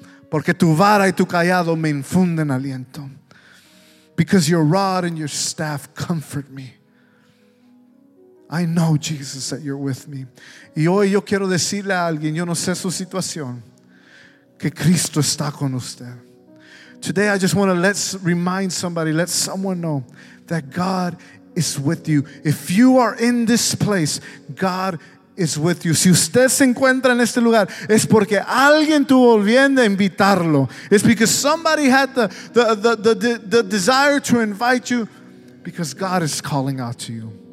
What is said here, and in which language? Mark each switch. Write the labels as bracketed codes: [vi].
[es] Porque tu vara y tu callado me infunden aliento. [en] Because your rod and your staff comfort me. I know, Jesus, that you're with me. [es] Y hoy yo quiero decirle a alguien, yo no sé su situación, que Cristo está con usted. [en] today I just want to let someone know that God is with you. If you are in this place, God is with you. [es] Si usted se encuentra en este lugar, es porque alguien tuvo bien de invitarlo. [en] It's because somebody had the desire to invite you, because God is calling out to you.